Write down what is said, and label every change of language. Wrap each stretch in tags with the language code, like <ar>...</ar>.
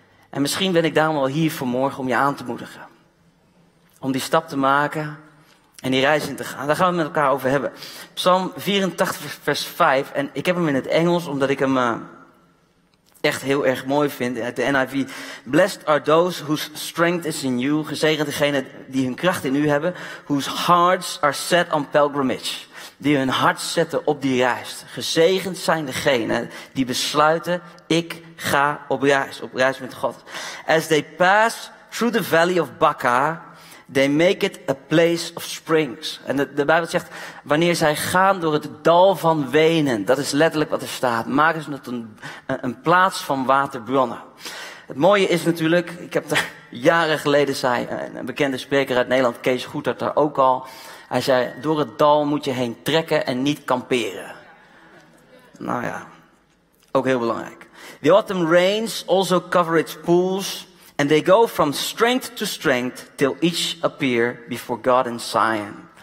<nl>En misschien ben ik daarom wel hier vanmorgen om je aan te moedigen. Om die stap te maken en die reis in te gaan. Daar gaan we het met elkaar over hebben. Psalm 84 vers 5. En ik heb hem in het Engels omdat ik hem echt heel erg mooi vind. Uit de NIV.</nl> <en>Blessed are those whose strength is in you.</en> <nl>Gezegend degene die hun kracht in u hebben.</nl> <en>Whose hearts are set on pilgrimage.</en> <nl>Die hun hart zetten op die reis. Gezegend zijn degene die besluiten, ik ga op reis met God.</nl> <en>As they pass through the valley of Baca, they make it a place of springs.</en> <nl>En de Bijbel zegt, wanneer zij gaan door het dal van wenen, dat is letterlijk wat er staat, maken ze het een plaats van waterbronnen. Het mooie is natuurlijk, ik heb daar jaren geleden zei, een bekende spreker uit Nederland, Kees Goedhart, daar ook al. Hij zei, door het dal moet je heen trekken en niet kamperen. Nou ja, ook heel belangrijk.</nl> <en>The autumn rains also cover its pools. And they go from strength to strength till each appear before God in Zion.</en>